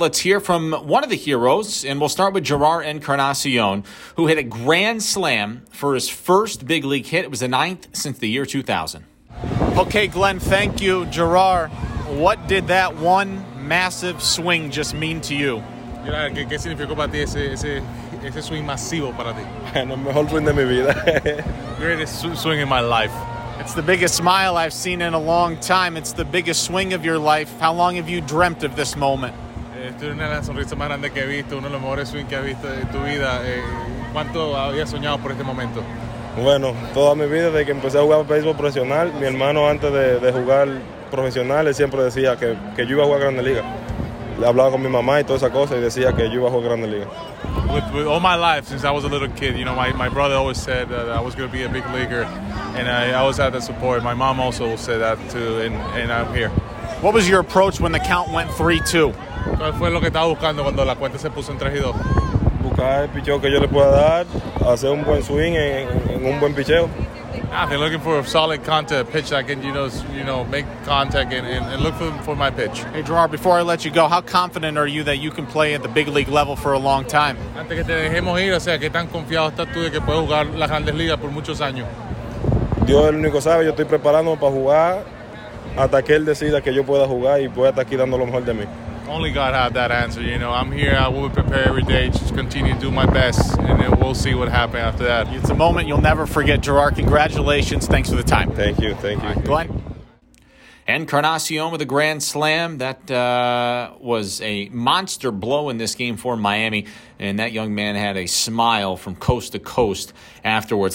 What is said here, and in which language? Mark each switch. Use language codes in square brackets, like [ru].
[en] Let's hear from one of the heroes, and we'll start with Jerar Encarnacion, who hit a grand slam for his first big league hit. It was the ninth since the year 2000. Okay, Glenn, thank you. Jerar, what did that one massive swing just mean to you? [es] ¿Qué significó para ti ese swing masivo para ti? El mejor swing de mi vida. [en] Greatest swing in my life. It's the biggest smile I've seen in a long time. It's the biggest swing of your life. How long have you dreamt of this moment? [es] Es una de las sonrisas más grandes que he visto, uno de los mejores swings que he visto en tu vida. ¿Cuánto había soñado por este momento? Bueno, toda mi vida, desde que empecé a jugar béisbol profesional, mi hermano antes de jugar profesional, él siempre decía que yo iba a jugar Grandes Ligas. Le hablaba con mi mamá y toda esa cosa y decía que yo iba a jugar Grandes Ligas. [en] With all my life, since I was a little kid, you know, my brother always said that I was going to be a big leaguer. And I always had the support. My mom also said that too, and I'm here. What was your approach when the count went 3-2? [es] ¿Cuál fue lo que estaba buscando cuando la cuenta se puso en 3-2? Buscar el picheo que yo le pueda dar, hacer un buen swing en un buen picheo. [en] I've been looking for a solid contact pitch that I can, you know, make contact and look for my pitch. Hey, Jerar, before I let you go, how confident are you that you can play at the big league level for a long time? [es] Antes que te dejemos ir, o sea, ¿qué tan confiado estás tú de que puedes jugar las Grandes Ligas por muchos años? Dios es el único que sabe, yo estoy preparándome para jugar hasta que él decida que yo pueda jugar y pueda estar aquí dando lo mejor de mí. [en] Only God had that answer, you know. I'm here, I will prepare every day, just continue to do my best, and then we'll see what happens after that. It's a moment you'll never forget, Jerar. Congratulations, thanks for the time. Thank you. All right, Glenn. Encarnacion with a grand slam. That was a monster blow in this game for Miami, and that young man had a smile from coast to coast afterwards.